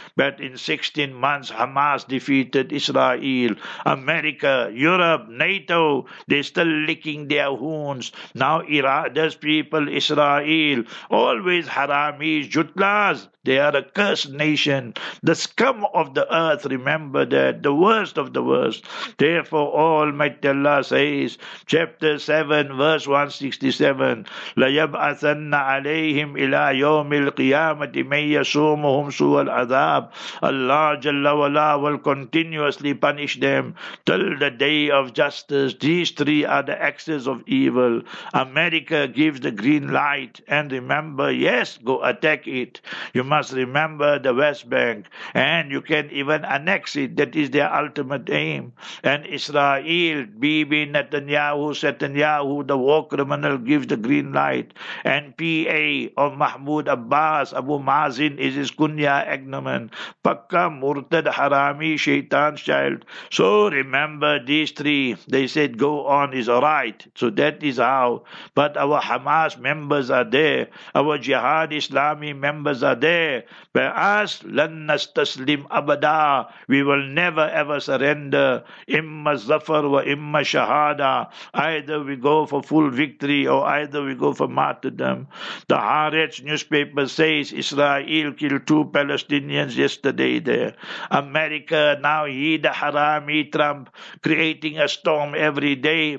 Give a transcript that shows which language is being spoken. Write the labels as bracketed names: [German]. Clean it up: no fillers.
[English] But in 16 months, Hamas defeated Israel. America, Europe, NATO, they're still licking their wounds. Now Iraq, those people, Israel, always haramis, jutlas. They are a cursed nation. The scum of the earth, remember that. The worst of the worst. Therefore, Almighty Allah says, chapter 7, verse 167, [Arabic] لَيَبْعَثَنَّ عَلَيْهِمْ إِلَىٰ يَوْمِ الْقِيَامَةِ مَنْ يَسُومُهُمْ سُوَ الْعَذَابِ. [English] Allah Jalla Wala will continuously punish them till the day of justice. These three are the axes of evil. America gives the green light. And remember, yes, go attack it. You must remember the West Bank, and you can even annex it. That is their ultimate aim. And Israel, Bibi Netanyahu, Netanyahu, the war criminal, gives the green light. And PA of Mahmoud Abbas, Abu Mazin, is his kunya agnomen. Pakka Murtad Harami, Shaitan's child. So remember these three. They said, go on, is all right. So that is how. But our Hamas members are there. Our Jihad Islami members are there. By us, [Arabic] لن نستسلم أبدا. [English] We will never ever surrender. [Arabic] إما الزفر وإما شهادة. [English] Either we go for full victory or either we go for martyrdom. The Haaretz newspaper says Israel killed two Palestinians yesterday there. America, now he the harami Trump, creating a storm every day.